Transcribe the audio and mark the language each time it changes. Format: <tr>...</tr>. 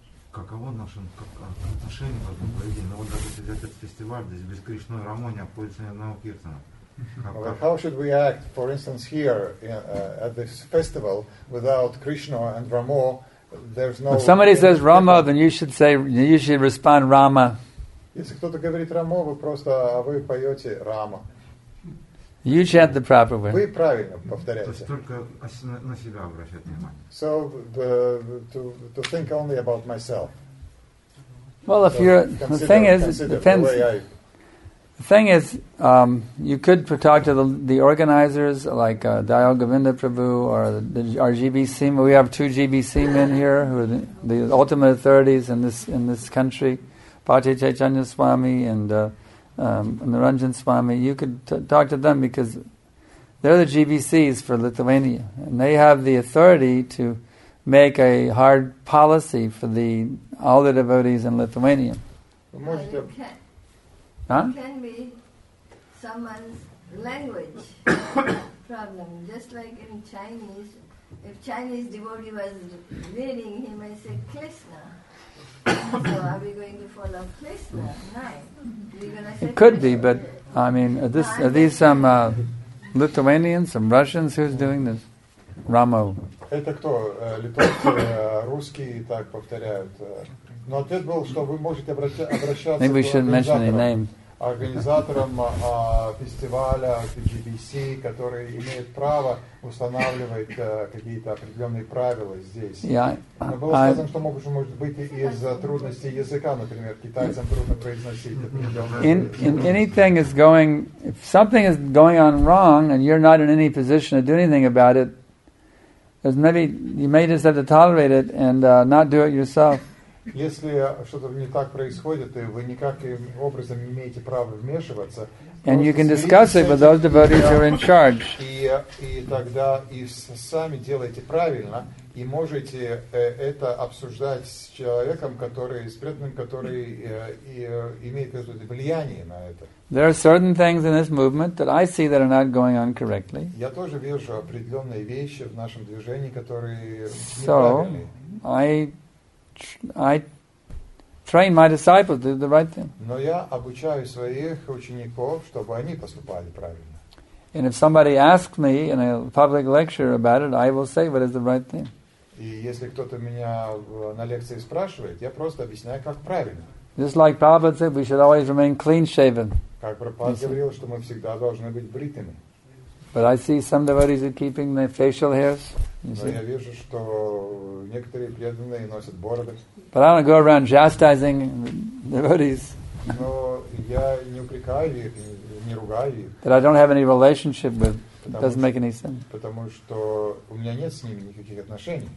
<ru>Каково наше отношение к этому поведению? Ну вот даже если взять этот фестиваль, здесь без Кришны Рамо не обходится ни одного киртана.</ru> <en>How should we act, for instance, here at this festival without Krishna and Ramo? There's no. If somebody says Rama, then you should say, you should respond Rama.</en> <ru>Если кто-то говорит Рамо, вы просто, а вы поете Рама.</ru> <en>You chant the proper way.</en> <ru>Вы правильно повторяете. То есть только на себя обращать внимание.</ru> <en>So to think only about myself. Well, if you're the thing is it depends. The thing is, you could talk to the organizers like Dayal Govinda Prabhu or our GBC. We have two GBC men here who are the ultimate authorities in this country, Bhakti Chaitanya Swami and. Naranjan Swami, you could talk to them because they're the GBCs for Lithuania and they have the authority to make a hard policy for all the devotees in Lithuania. Can be someone's language problem, just like in Chinese. If Chinese devotee was reading, he might say Krishna. So are we going to follow Krishna? It could be, but I mean, are these some Lithuanians, some Russians? Who's doing this? Ramo.</en> <ru>Это кто? Литовцы, русские так повторяют. Но ответ был, что вы можете обращаться.</ru> <en>Maybe we shouldn't mention any names.</en> <ru>организатором фестиваля GBC, который имеет право устанавливать какие-то определенные правила здесь. Но было сказано, что может быть из-за трудностей языка, например, китайцам трудно произносить</ru> <en>Anything is going, if something is going on wrong and you're not in any position to do anything about it, there's maybe you may just have to tolerate it and not do it yourself.</en> <ru>Если что-то не так происходит, и вы никаким образом не имеете права вмешиваться,</ru> <en>and you can discuss it with those devotees who are in charge.</en> <ru>И тогда и сами делаете правильно, и можете это обсуждать с человеком, который, с преданным, который имеет какое-то влияние на это.</ru> <en>There are certain things in this movement that I see that are not going on correctly.</en> <ru>Я тоже вижу определенные вещи в нашем движении, которые неправильные.</ru> <en>So, I train my disciples to do the right thing.</en> <ru>Но я обучаю своих учеников, чтобы они поступали правильно.</ru> <en>And if somebody asks me in a public lecture about it, I will say what is the right thing.</en> <ru>И если кто-то меня на лекции спрашивает, я просто объясняю, как правильно.</ru> <en>Just like Prabhupada said, we should always remain clean-shaven.</en> <ru>Как Прабхупада говорил, что мы всегда должны быть бритыми.</ru> <en>But I see some devotees are keeping their facial hairs.</en> <ru>Я вижу, что некоторые преданные носят бороды.</ru> <en>But I don't go around chastising devotees.</en> <ru>Но я не упрекаю их, не ругаю их.</ru> <en>That I don't have any relationship with. It doesn't make any sense.</en> <ru>Потому что у меня нет с ними никаких отношений.</ru>